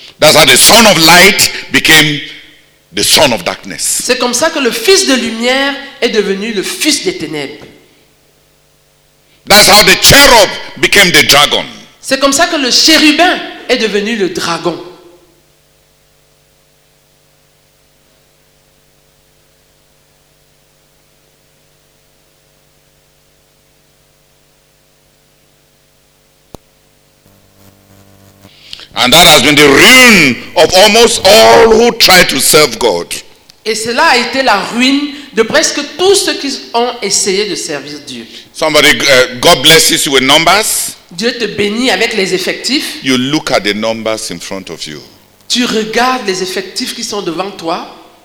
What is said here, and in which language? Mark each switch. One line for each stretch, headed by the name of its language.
English: That's how the son of light became the son of darkness.
French: C'est comme ça que le fils de lumière est devenu le fils des ténèbres.
English: That's how the cherub became the dragon.
French: C'est comme ça que le chérubin est devenu le dragon.
English: And that has been the ruin of almost all who try to serve God.
French: Et cela a été la ruine de presque tous ceux qui ont essayé de servir Dieu.
English: Somebody, God blesses you with numbers.
French: Dieu te bénit avec les effectifs.
English: You look at the numbers in front of you.
French: Tu regardes les effectifs qui sont devant toi.